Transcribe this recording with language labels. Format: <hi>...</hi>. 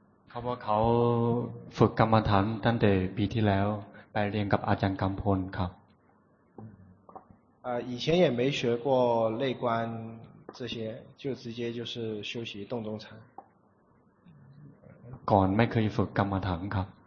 <th>เขาบอกเขาฝึกกรรมฐานตั้งแต่ปีที่แล้วไปเรียนกับอาจารย์กำพลครับ</th> <zh>以前也没学过内观这些就直接就是修习洞中禅</zh> <th>ก่อนไม่เคยฝึกกรรมฐานครับ</th>